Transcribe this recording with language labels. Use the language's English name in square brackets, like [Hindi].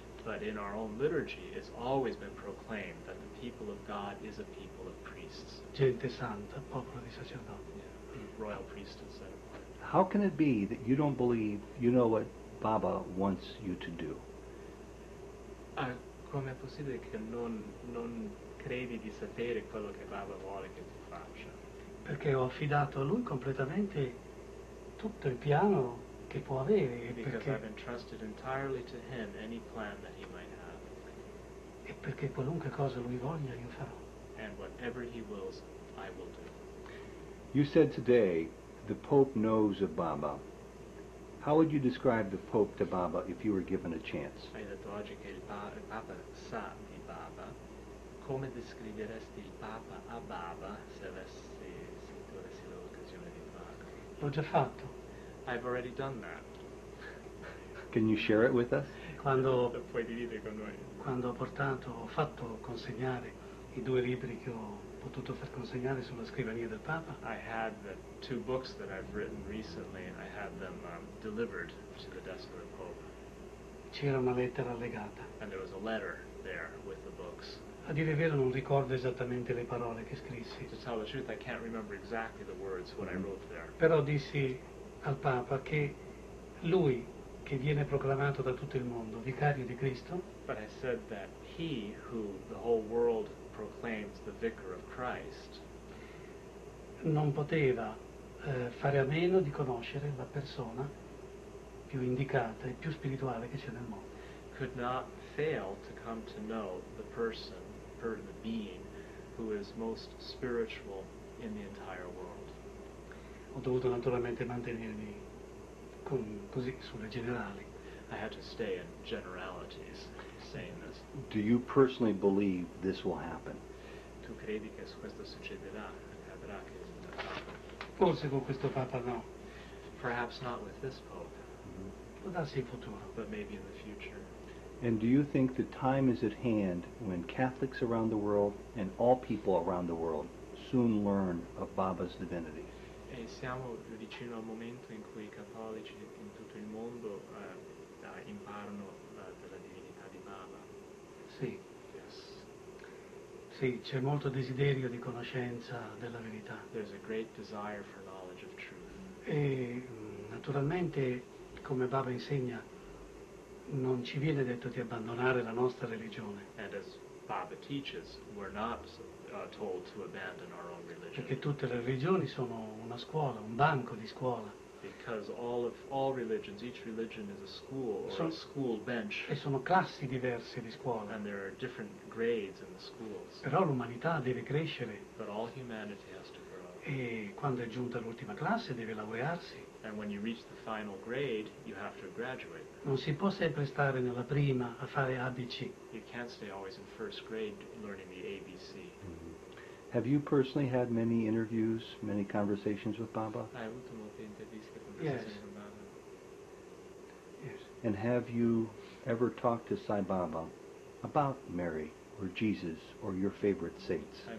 [English] But in our own liturgy it's always been proclaimed that the people of God is a people of priests. [Italian] Gente santa, popolo di sacerdoti. [English] Yeah. Royal priesthood. How can it be that you don't believe you know what Baba wants you to do? [Italian] Come è possibile che non credi di sapere quello che Baba vuole che tu faccia? Perché ho affidato a lui completamente tutto il piano che può avere. [English] Because I've entrusted entirely to him any plan that he might have. [Italian] E perché qualunque cosa lui voglia io farò. [English] And whatever he wills, I will do. You said today the Pope knows of Baba. How would you describe the Pope to Baba if you were given a chance? [Italian] Hai detto oggi che il Papa sa di Baba. Come descriveresti il Papa a Baba se tu avessi l'occasione di farlo? L'ho già fatto. [English] I've already done that. Can you share it with us? [Italian] Quando puoi dividere con noi. Quando ho fatto consegnare I due libri che ho potuto far consegnare sulla scrivania del Papa. [English] I had the two books that I've written recently, I had them delivered to the desk of the Pope. [Italian] C'era una lettera legata. [English] And there was a letter there with the books. [Italian] A dire il vero non ricordo esattamente le parole che scrissi. [English] To tell the truth, I can't remember exactly the words what I wrote there. [Italian] Però dissi al Papa che lui, che viene proclamato da tutto il mondo, vicario di Cristo, [English] but I said that he, who the whole world proclaims the vicar of Christ, [Italian] non poteva fare a meno di conoscere la persona più indicata e più spirituale che c'è nel mondo. [English] Could not fail to come to know the person, the being who is most spiritual in the entire world. [Italian] Ho dovuto naturalmente mantenermi così sulle generali. [English] I had to stay in generalities saying this. Do you personally believe this will happen? [Italian] Tu credi che questo succederà? Accadrà che forse con questo Papa no. [English] Perhaps not with this Pope. [Italian] Può darsi in futuro. [English] But maybe in the future. And do you think the time is at hand when Catholics around the world and all people around the world soon learn of Baba's divinity? [Italian] E siamo vicino al momento in cui i cattolici in tutto il mondo imparano della divinità di Baba. Sì. [English] Yes. [Italian] Sì, c'è molto desiderio di conoscenza della verità. [English] There's a great desire for knowledge of truth. [Italian] E naturalmente, come Baba insegna, non ci viene detto di abbandonare la nostra religione. [English] And as Baba teaches, we're not told to abandon our own religion. [Italian] Perché tutte le religioni sono una scuola, un banco di scuola. [English] Because all religions, each religion is a school or a school bench. [Italian] E sono classi diverse di scuola. [English] And there are different grades in the schools. [Italian] Però l'umanità deve crescere. [English] But all humanity has to grow. [Italian] E quando è giunta l'ultima classe deve laurearsi. [English] And when you reach the final grade, you have to graduate. [Italian] Non si può sempre stare nella prima a fare ABC. [English] You can't stay always in first grade learning the ABC. Have you personally had many interviews, many conversations with Baba? [Italian] Hai avuto molte interviste, conversazioni con Baba. [English] Yes. And have you ever talked to Sai Baba about Mary or Jesus or your favorite saints?